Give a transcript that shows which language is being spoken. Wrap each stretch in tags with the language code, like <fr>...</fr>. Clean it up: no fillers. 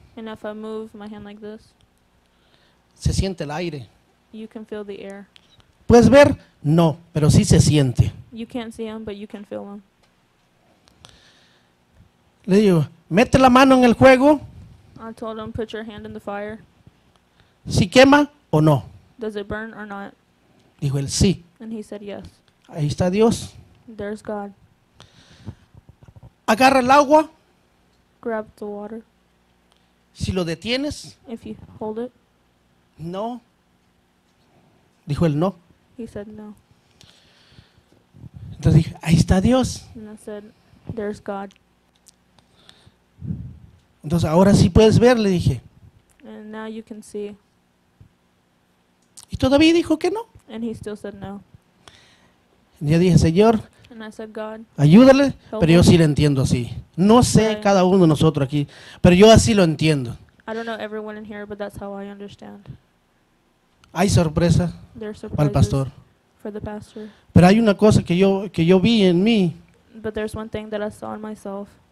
<en>and if I move my hand like this,</en> <es>se siente el aire.</es> <en>You can feel the air.</en> <es>¿Puedes ver? No, pero sí se siente.</es> <en>You can't see him, but you can feel him.</en> <es>Le digo, mete la mano en el juego.</es> <en>I told him, put your hand in the fire.</en> <es>¿Si quema o no?</es> <en>Does it burn or not?</en> <es>Dijo él, sí.</es> <en>And he said, yes.</en> <es>Ahí está Dios.</es> <en>There's God.</en> <es>Agarra el agua.</es> <en>Grab the water.</en> <es>¿Si lo detienes?</es> <en>If you hold it.</en> <es>No. Dijo él, no.</es> <en>He said, no.</en> <es>Entonces dije, ahí está Dios.</es> <en>And I said, there's God.</en> <es>Entonces ahora sí puedes ver, le dije.</es> <en>And now you can see.</en> <es>Y todavía dijo que no.</es> <en>And he still said no.</en> <es>Y yo dije, Señor,</es> <en>and I said, God,</en> <es>ayúdale, pero yo sí lo entiendo así. No sé cada uno de nosotros aquí, pero yo así lo entiendo.</es> <en>I don't know everyone in here, but that's how I understand.</en> <es>Hay sorpresa para el pastor.</es> <en>For the pastor.</en> <es>Pero hay una cosa que yo vi en mí.</es> <en>But there's one thing that I saw in myself.</en>